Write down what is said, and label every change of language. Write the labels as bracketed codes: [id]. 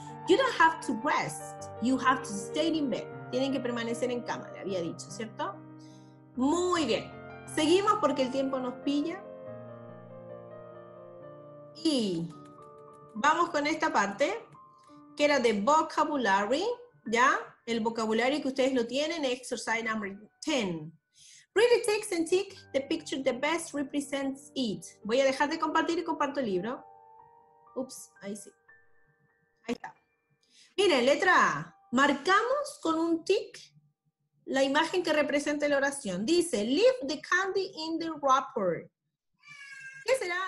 [en] You don't have to rest. You have to stay in bed. [es] Tienen que permanecer en cama, le había dicho, ¿cierto? Muy bien. Seguimos porque el tiempo nos pilla. Y vamos con esta parte, que era de vocabulary, ¿ya? El vocabulario que ustedes lo tienen, [en] exercise number 10. Really takes and tick the picture that best represents it. [es] Voy a dejar de compartir y comparto el libro. Ups, ahí sí. Ahí está. Miren, letra A. Marcamos con un tick la imagen que representa la oración. Dice, [en] leave the candy in the wrapper. [es] ¿Qué será?